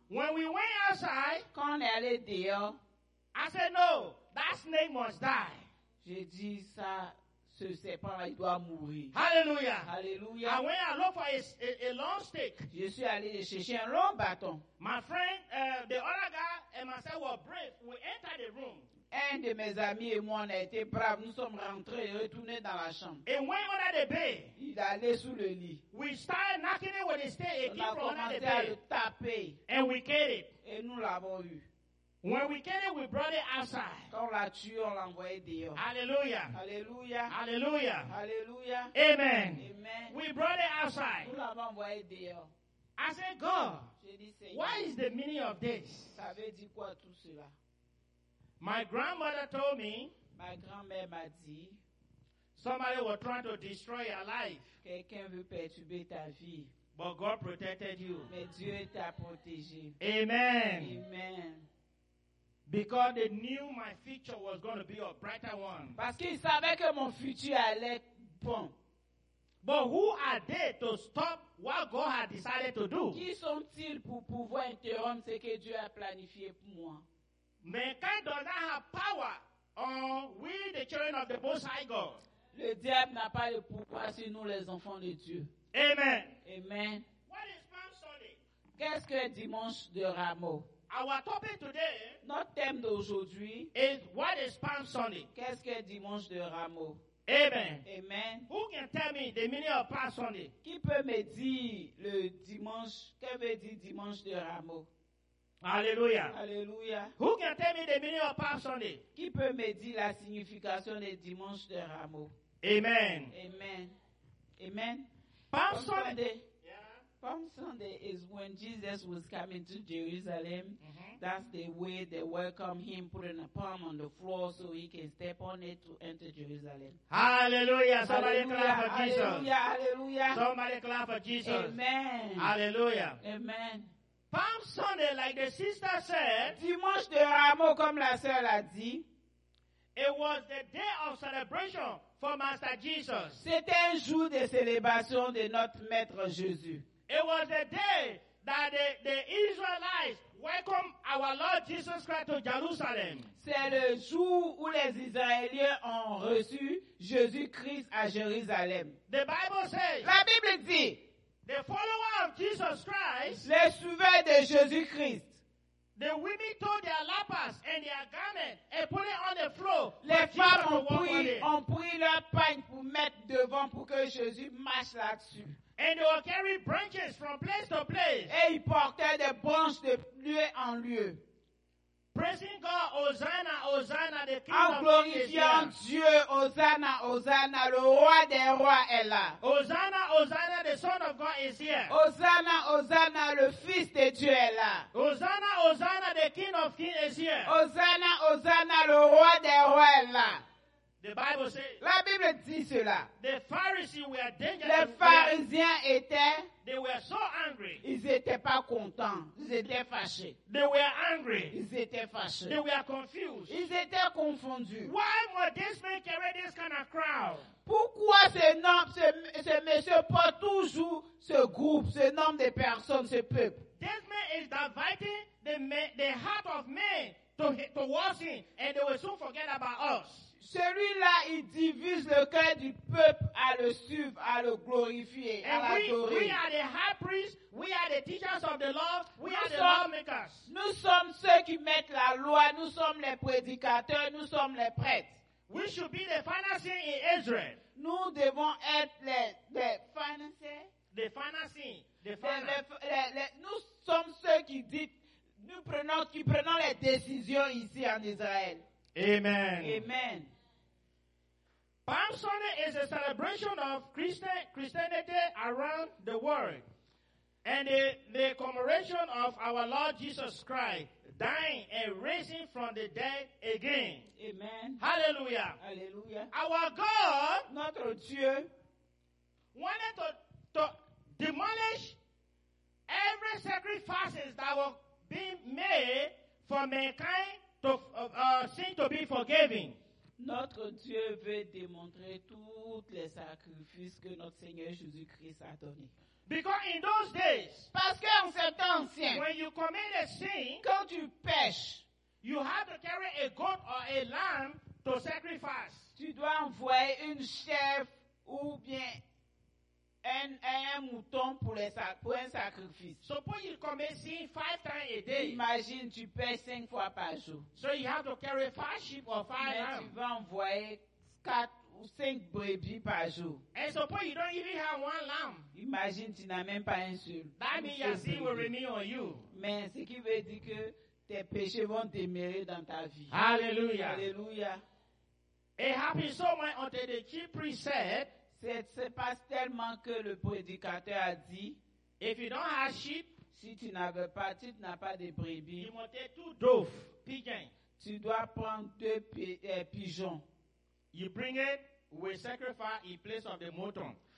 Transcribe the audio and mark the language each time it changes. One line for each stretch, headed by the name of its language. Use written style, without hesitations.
English: When we went outside,
French: quand on est allé dehors,
English: I said no, that snake must die.
French: J'ai dit ça, ce serpent là, il doit mourir. Hallelujah. Hallelujah.
English: I went and looked for a long stick.
French: Je suis allé chercher un long bâton.
English: My friend, the other guy and myself were brave. We entered the room.
French: Un de mes amis et moi, on a été braves. Nous sommes rentrés et retournés dans la chambre.
English: And went under the bed.
French: Il allait sous le lit.
English: We started knocking it with the stick.
French: On a commencé à le taper.
English: And we get it.
French: Et nous l'avons eu.
English: When we get it, we brought it outside.
French: Quand on l'a tué, on l'a envoyé dehors. Hallelujah. Hallelujah. Hallelujah. Hallelujah. Amen. Amen.
English: We brought it outside.
French: Nous l'avons envoyé dehors.
English: I said, God,
French: dit,
English: what is the meaning of this?
French: Ça veut dire quoi tout cela?
English: My grandmother told me,
French: ma grand-mère m'a dit,
English: somebody was trying to destroy your life.
French: Quelqu'un veut perturber ta vie.
English: But God protected you.
French: Mais Dieu t'a protégé. Amen. Amen.
English: Because they knew my future was going to be a brighter one.
French: Parce qu'ils savaient que mon futur allait bon.
English: But who are they to stop what God had decided to do?
French: Qui sont-ils pour pouvoir interrompre ce que Dieu a planifié pour moi?
English: Mankind does not have power on we, the children of the Most High God.
French: Le diable n'a pas le pouvoir sur nous, les enfants de Dieu. Amen. Amen.
English: What is Palm Sunday?
French: Qu'est-ce que dimanche de rameau?
English: Our topic today,
French: notre thème d'aujourd'hui,
English: is what is Palm Sunday?
French: Qu'est-ce que dimanche de rameau? Amen. Amen.
English: Who can tell me the meaning of Palm Sunday?
French: Qui peut me dire le dimanche? Que veut dire dimanche de Rameau? Alléluia. Alléluia.
English: Who can tell me the meaning of Palm Sunday?
French: Qui peut me dire la signification de dimanche de Rameau? Amen. Amen. Amen.
English: Palm Sunday. Palm Sunday is when Jesus was coming to Jerusalem. Mm-hmm. That's the way they welcome him, putting a palm on the floor so he can step on it to enter Jerusalem. Hallelujah. Somebody clap for Jesus. Hallelujah. Hallelujah. Somebody clap for Jesus. Amen. Hallelujah. Amen. Palm Sunday, like the sister said,
French: Dimanche de Rameau, comme la sœur l'a dit,
English: it was the day of celebration for Master Jesus.
French: C'était un jour de célébration de notre Maître Jésus.
English: It was the day that the Israelites welcomed our Lord Jesus Christ to Jerusalem.
French: C'est le jour où les Israéliens ont reçu Jésus-Christ à Jérusalem.
English: The Bible says.
French: La Bible dit.
English: The followers of Jesus Christ.
French: Les suiveurs de Jésus-Christ.
English: The women took their lappas and their garment and put it on the floor.
French: Les femmes ont pris leur pagne pour mettre devant pour que Jésus marche là-dessus.
English: And they were carrying branches from place to place.
French: Et ils portaient des branches de lieu en lieu.
English: Praising God, Hosanna, Hosanna, the King of Kings.
French: En glorifiant Dieu, Hosanna, Hosanna, le roi des rois est là.
English: Hosanna, Hosanna, the Son of God is here.
French: Hosanna, Hosanna, le Fils de Dieu est là.
English: Hosanna, Hosanna, the King of Kings is here.
French: Hosanna, Hosanna, le roi des rois est là.
English: The Bible says,
French: la Bible dit cela.
English: The Pharisees were dangerous.
French: Les pharisiens étaient.
English: They were so angry.
French: Ils n'étaient pas contents. Ils étaient fâchés.
English: They were angry.
French: Ils étaient fâchés.
English: They were confused.
French: Ils étaient confondus.
English: Why would this man carry this kind of crowd?
French: Pourquoi ce nom, ce monsieur porte toujours ce groupe, ce nombre de personnes, ce peuple?
English: This man is dividing the heart of men towards him, and they will soon forget about us.
French: Celui-là, il divise le cœur du peuple à le suivre, à le glorifier,
English: and
French: à l'adorer.
English: We are the high priest, we are the teachers of the law, we are the lawmakers.
French: Nous sommes ceux qui mettent la loi, nous sommes les prédicateurs, nous sommes les prêtres.
English: We should be the financiers in Israel.
French: Nous devons être les financiers.
English: The financiers. The financiers.
French: Nous sommes ceux qui dit, nous prenons, qui prenons les décisions ici en Israël. Amen. Amen.
English: Palm Sunday is a celebration of Christianity around the world. And the commemoration of our Lord Jesus Christ dying and raising from the dead again. Amen. Hallelujah. Hallelujah. Our God,
French: notre Dieu,
English: wanted to demolish every sacrifices that were being made for mankind. Sin to be forgiven.
French: Notre Dieu veut démontrer tous les sacrifices que notre Seigneur Jésus-Christ a donné.
English: Because in those days,
French: parce qu'en ces temps anciens,
English: when you commit a sin,
French: quand tu pèches,
English: you have to carry a goat or a lamb to sacrifice.
French: Tu dois envoyer une chèvre ou bien un mouton pour un sacrifice.
English: Suppose you commit sin 5 times a day.
French: Imagine tu pèches 5 fois par jour.
English: So you have to carry 5 sheep or 5 lambs.
French: Tu vas envoyer 4 ou 5 brebis par jour.
English: And suppose you don't even have 1 lamb.
French: Imagine tu n'as même pas un seul.
English: That means your sin will remain on you.
French: Mais ce qui veut dire que tes péchés vont demeurer dans ta vie. Hallelujah. Hallelujah.
English: It happened so much until the chief priest said.
French: Se passe tellement que le prédicateur a dit,
English: if you don't have sheep,
French: si tu n'avais pas, tu n'as pas de brebis,
English: you must take 2 doves, pigeons.
French: Tu dois prendre 2 pigeons.
English: You bring it, we sacrifice in place of the mouton.